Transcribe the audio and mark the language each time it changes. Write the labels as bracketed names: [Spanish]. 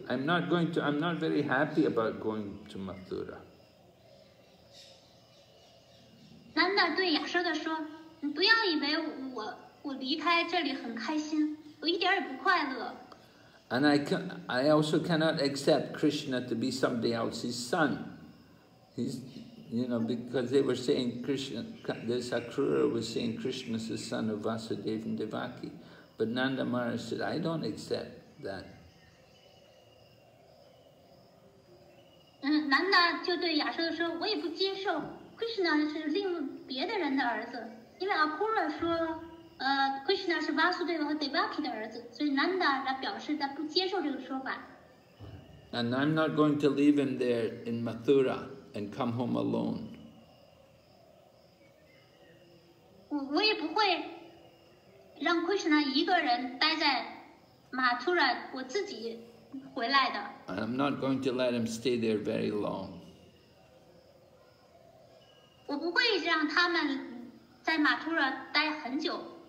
[English] I'm not very happy about going to Mathura." [Chinese] Nanda 对亚修的说，你不要以为我离开这里很开心，我一点也不快乐。 [English] And I also cannot accept Krishna to be somebody else's son. Because they were saying Krishna, this Akrura was saying Krishna's the son of Vasudev and Devaki. But Nanda Maharaj said, I don't accept that. [Chinese] Nanda 就对亚修的说，我也不接受。Krishna 是另别的人的儿子，因为 Akura 说，Krishna 是 Vasudeva 和 Devaki 的儿子，所以 Nanda 表示他不接受这个说法。 [English] And I'm not going to leave him there in Mathura and come home alone. [Chinese] 我也不会让 Krishna 一个人待在 Mathura， 我自己回来的。 [English] And I'm not going to let him stay there very long. [Chinese] 我不会让他们在马图拉待很久。